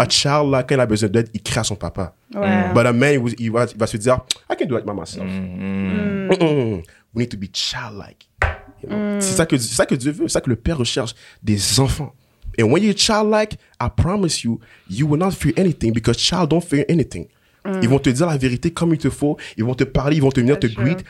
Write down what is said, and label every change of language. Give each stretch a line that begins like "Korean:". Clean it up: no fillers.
French: A child, là, quand il a besoin d'aide, il crie à son papa. Ouais.
English: But a man,
French: il va se dire,
English: I can do it by myself. Mm. Mm. We need to be childlike. You know?
French: C'est ça que Dieu veut, c'est ça que le Père recherche, des enfants.
English: And when you're childlike, I promise you, you will not fear anything because child don't fear anything.
French: Ils vont te dire la vérité comme il te faut. Ils vont te parler, ils vont venir te greet.